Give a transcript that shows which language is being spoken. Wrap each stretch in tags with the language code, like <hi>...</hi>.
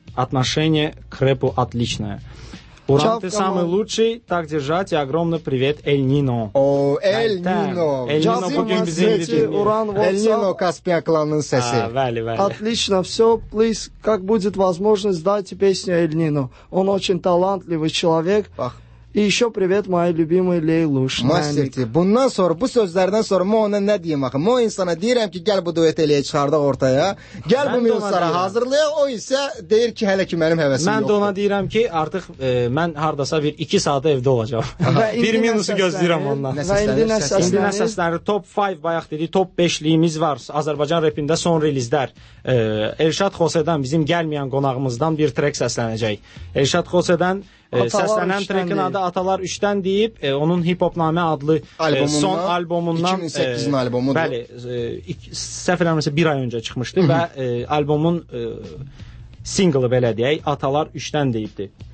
<ru>Отношение к рэпу отличное. Уран, ты самый лучший, так держать, и огромный привет Эль Нино. О, Эль Нино. Эль Нино будем без имени. Уран,</ru> <az>Эль Нино, Каспия кланын сесси. Вали, вали.</az> <ru>Отлично, все, плиз, как будет возможность, дайте песню Эль Нино. Он очень талантливый человек. Бах. И еще привет моей любимой Лейлуш.</ru> <az>Мастер ти, bundan sonra, bu sözlerden sonra mən ona nə deyim axı? Mən insana deyirəm ki, gəl bu duet eləyə çıxardaq ortaya. Gəl bu müsara hazırlayaq. O isə deyir ki, hələ ki mənim həvəsim yoxdur. Mən də ona deyirəm ki, artıq mən hardasa bir 2 saat evdə olacağam. Bir minusu gözləyirəm ondan. İndi nə səsləri? Top 5 bayaq dedi, top 5-liyimiz var. Azərbaycan repində son relizlər. Elşad Xosedan bizim gəlməyən qonağımızdan bir trek səslənəcək. Elşad Xosedan səslənən trekin adı Atalar 3-dən deyib, onun Hip Hop Name adlı son albomundan 2008-in albomudur. Bəli, səfərləməsə bir ay öncə çıxmışdı və albomun single-ı belə deyək, Atalar 3-dən deyibdi.</az>